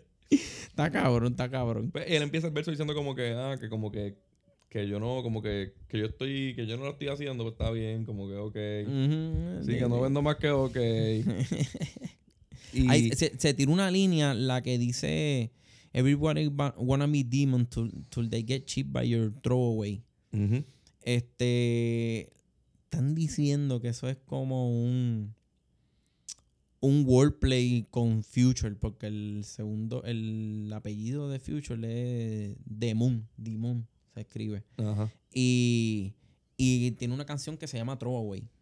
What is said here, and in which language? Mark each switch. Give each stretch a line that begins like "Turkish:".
Spanish: Está cabrón, está cabrón. Pues él empieza el verso diciendo como que, ah, que como que yo no, como que yo estoy, que yo no lo estoy haciendo, pues está bien, como que ok. Uh-huh. Sí, que no vendo más que ok. Y... Ahí, se tira una línea la que dice...
English: Everybody wanna be demons till they get cheap by your throwaway. Uh-huh.
Spanish: Están diciendo que eso es como un wordplay con Future, porque el apellido de Future es Demon, se escribe. Uh-huh. Y tiene una canción que se llama Throwaway.